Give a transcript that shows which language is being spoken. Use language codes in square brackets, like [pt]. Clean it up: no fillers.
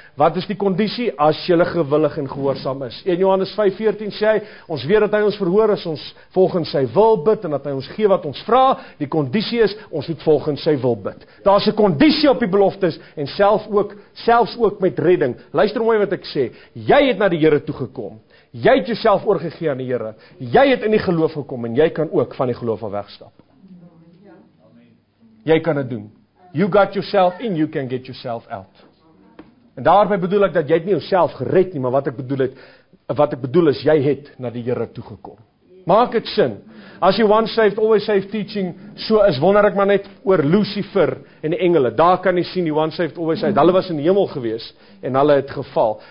[af] Wat is die kondisie? As jylle gewillig en gehoorsam is. En Johannes 5:14 sê, ons weet dat hy ons verhoor is, ons volgens sy wil bid, en dat hy ons gee wat ons vra, die kondisie is, ons moet volgens sy wil bid. Daar is 'n kondisie op die beloftes, en selfs ook met redding. Luister mooi wat ek sê, jy het na die Here toe gekom. Jy het jouself oorgegee aan die Here. Jy het in die geloof gekom en jy kan ook van die geloof af wegstap. jy kan het doen. [en] You got yourself in, you can get yourself out. [af] En daarby bedoel ek dat jy het nie jouself gered nie, maar wat ek bedoel is, jy het na die Here toegekom. Maak het sin. As jy [en] once saved, always saved [af] teaching, so is wonder ek maar net oor Lucifer en die engele. Daar kan jy sien, die [en] once saved, always saved. [af] Hulle was in die hemel gewees, en hulle het geval.